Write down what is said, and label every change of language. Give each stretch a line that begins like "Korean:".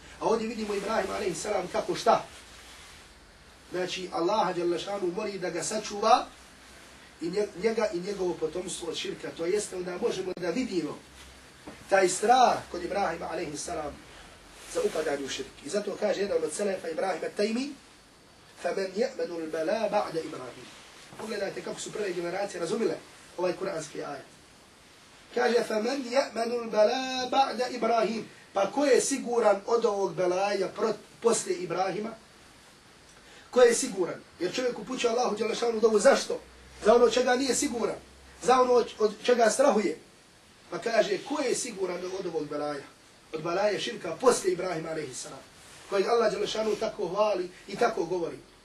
Bosnian: A ovdje vidimo Ibrahim, alejhi salam, kako šta? Znači, Allah dželle šanuhu moli da ga sačuva i njega i njegovo potomstvo od širka. To jeste, onda možemo da vidimo taj strah kod Ibrahima, alejhi salam, za upadanje u širk. I zato kaže jedan od selefa Ibrahima Tajmi,
Arabic: فَمَنْ يَأْمَنُ الْبَلَا بَعْدَ إِبْرَهِيمَ.
Bosnian: Pogledajte kako su prve generacije razumile ovaj kuranski ajet. Kaže,
Arabic: فَمَنْ يَأْمَنُ الْبَلَا بَعْدَ إِبْرَهِيمَ.
Bosnian: Pa ko je siguran od ovog belaja posle Ibrahima? Ko je siguran? Jer čovjek upućuje Allahu Đelešanu dovu zašto? Za ono čega nije siguran. Za ono od čega strahuje. Pa kaže, ko je siguran od ovog belaja? Od balaje širka posle Ibrahima alejhiselam, kojeg Allah dželešanu tako hvali i tako govori.